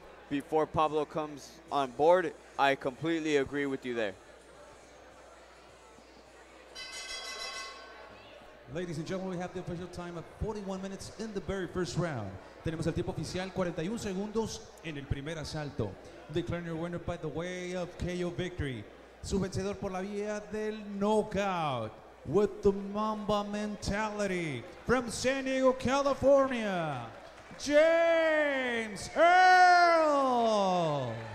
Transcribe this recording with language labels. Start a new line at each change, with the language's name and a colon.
English: Before Pablo comes on board, I completely agree with you there. Ladies and gentlemen, we have the official time of 41 minutes in the very first round.
Spanish: Tenemos el tiempo oficial, 41 segundos en el primer asalto.
English: Declaring your winner by the way of KO victory.
Spanish: Su vencedor por la vía del knockout.
English: With the Mamba mentality. From San Diego, California, James Earle!